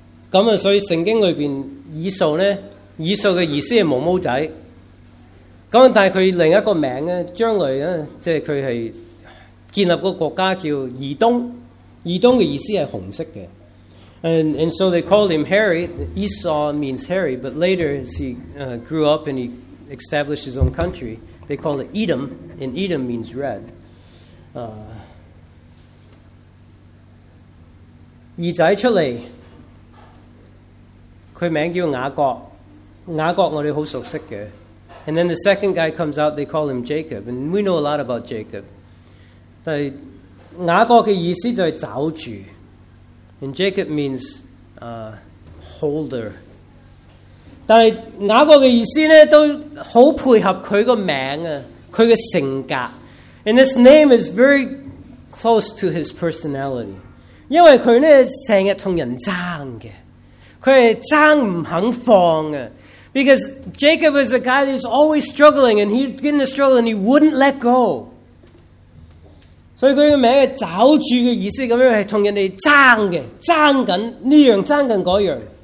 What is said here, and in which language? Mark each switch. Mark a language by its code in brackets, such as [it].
[yue] 咁啊，所以圣经里边以扫咧，以扫嘅意思系毛毛仔。咁但系佢另一个名咧，将来咧，即系佢系建立个国家叫以东。以东嘅意思系红色嘅。 [en] And so they called him Harry. Esau means hairy, but later as he grew up and he established his own country, they called it Edom, and Edom means red. [yue] 二仔出嚟，佢名叫雅各，雅各我哋好熟悉嘅。 [en] And then the second guy comes out, they call him Jacob, and we know a lot about Jacob. [yue] 但雅各嘅意思就系找住 [en] ，and Jacob means holder. [yue] 但系雅各嘅意思咧都好配合佢个名啊，佢嘅性格。 [en] And this name is very close to his personality. [yue] 因为佢咧成日同人争嘅，佢系争唔肯放嘅。 [en] Because Jacob was a guy who's always struggling, and he'd get in the struggle, and he wouldn't let go. [yue] 所以佢嘅名系找住嘅意思，咁样系同人哋争嘅，争紧呢样，争紧嗰样。